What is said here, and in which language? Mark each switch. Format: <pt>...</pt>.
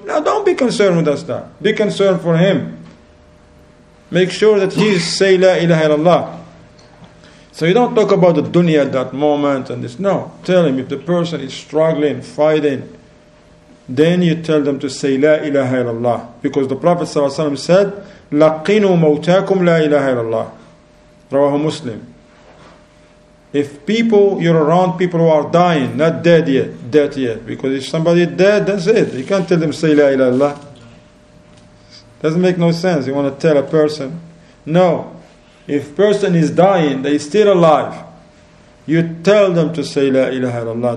<en>Now don't be concerned with that stuff. Be concerned for him. Make sure that he say La ilaha illallah. So you don't talk about the dunya at that moment and this. No, tell him if the person is struggling, fighting, then you tell them to say La ilaha illallah.</en> <ar>Because the Prophet ﷺ said, لَقِّنُوا مَوْتَاكُمْ لَا إِلَهَ إِلَى اللَّهِ. رواه مسلم.</ar> <en>If people, you're around people who are dying, not dead yet, because if somebody is dead, that's it. You can't tell them, say La ilaha illallah. Doesn't make no sense. You want to tell a person. No. If person is dying, they still alive, you tell them to say La ilaha illallah.</en>